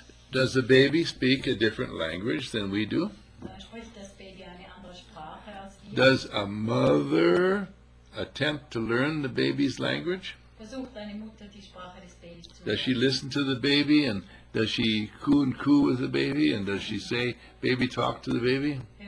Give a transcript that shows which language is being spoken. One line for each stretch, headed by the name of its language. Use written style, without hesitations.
English: Does the baby speak a different language than we do?
German: Das Baby eine andere Sprache als wir?
English: Does a mother attempt to learn the baby's language?
German: Versucht eine Mutter, die Sprache des Babys zu
English: does
German: lernen.
English: She listen to the baby and does she coo and coo with the baby and does she say, baby talk to the baby?